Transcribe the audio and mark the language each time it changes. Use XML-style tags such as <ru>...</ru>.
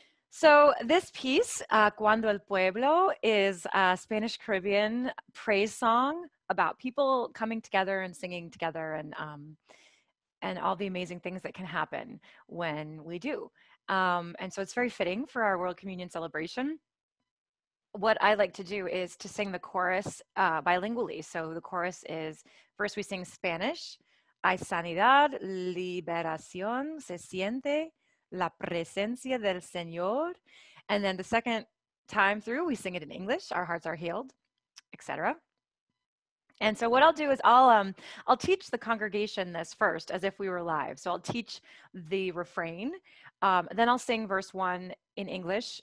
<en>So this piece, Cuando el Pueblo, is a Spanish Caribbean praise song about people coming together and singing together and all the amazing things that can happen when we do. And so it's very fitting for our World Communion celebration. What I like to do is to sing the chorus bilingually. So the chorus is, first we sing Spanish.</en> <es>Hay sanidad, liberación, se siente la presencia del Señor.</es> <en>And then the second time through, we sing it in English. Our hearts are healed, etc. And so what I'll do is I'll teach the congregation this first as if we were live. So I'll teach the refrain. Then I'll sing verse one in English.</en>